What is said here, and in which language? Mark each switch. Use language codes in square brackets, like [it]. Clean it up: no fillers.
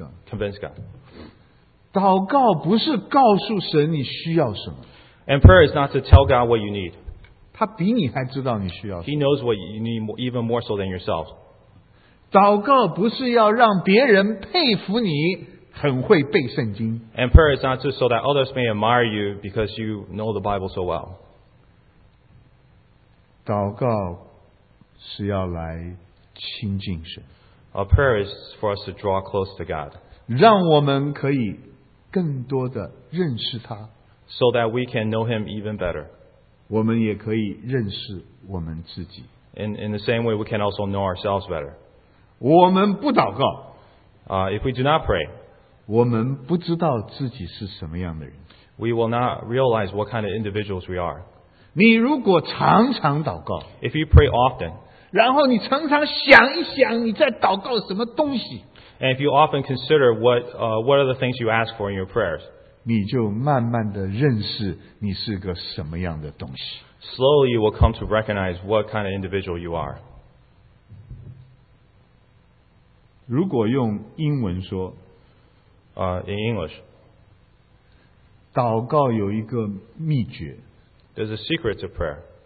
[en] Convince God. [zh] 祷告不是告诉神你需要什么。 [en] And prayer is not to tell God what you need. [zh] 他比你还知道你需要什么。 [en] He knows what you need even more so than yourself. [zh] 祷告不是要让别人佩服你很会背圣经。 [en] And prayer is not so that others may admire you because you know the Bible so well. [zh] 祷告是要来亲近神。 [en] A prayer is for us to draw close to God. [zh] 让我们可以更多的认识他， [en] so that we can know him even better. [zh] 我们也可以认识我们自己。 [en] In the same way, we can also know ourselves better. [zh] 我们不祷告， [en] if we do not pray, [zh] 我们不知道自己是什么样的人。 [en] We will not realize what kind of individuals we are. [zh] 你如果常常祷告， [en] if you pray often, [zh] 然后你常常想一想你在祷告什么东西。 [en] And if you often consider what are the things you ask for in your prayers, [zh] 你就慢慢地认识你是个什么样的东西。 [en] Slowly you will come to recognize what kind of individual you are. [zh] 如果用英文说， [en] in English, [zh] 祷告有一个秘诀。 [en] There's a secret to prayer.